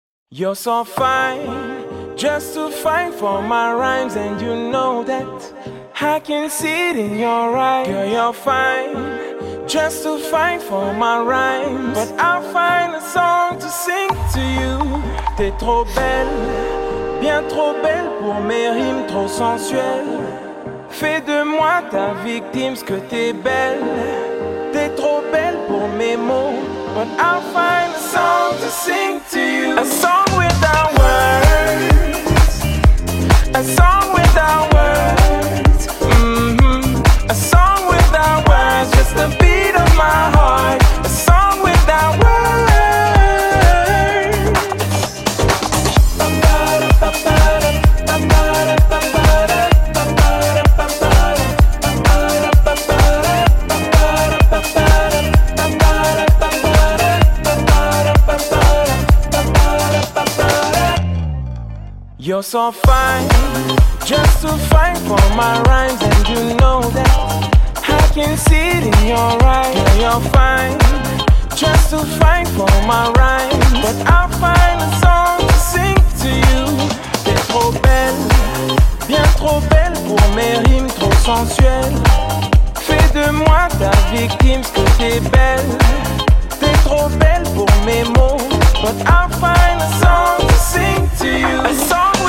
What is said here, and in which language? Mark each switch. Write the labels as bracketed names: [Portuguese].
[English] You're so fine, just too fine for my rhymes, and you know that. I can see it in your eyes. Girl, you're fine, just too fine for my rhymes. But I'll find a song to sing to you. [French] T'es trop belle, bien trop belle pour mes rimes trop sensuelles. Fais de moi ta victime, ce que t'es belle. T'es trop belle pour mes mots. [English] But I'll find a song to sing to you. A song without words. A song without words. A song without words. Just the beat of my heart. A song without words. You're so fine, just too fine for my rhymes, and you know that. I can see it in your eyes. Girl, you're fine, just too fine for my rhymes. But I'll find a song to sing to you. [French] T'es trop belle, bien trop belle pour mes rimes trop sensuelles. Fais de moi ta victime, parce que t'es belle. T'es trop belle pour mes mots. [English] But I'll find a song to sing to you. A song.